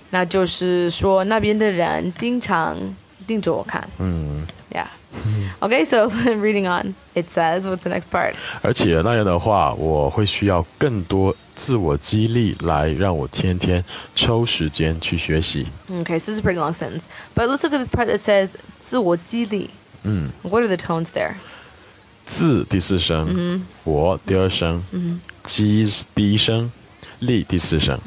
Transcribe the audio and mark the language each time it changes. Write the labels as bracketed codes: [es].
[zh] 那就是说那边的人经常盯着我看。 [en] Yeah. Okay, so reading on, it says, what's the next part? [zh] 而且那样的话我会需要更多自我激励来让我天天抽时间去学习。 [en] Okay, so this is a pretty long sentence. But let's look at this part that says 自我激励。 What are the tones there? [zh] 自第四声、我第二声、激第一声、励第四声。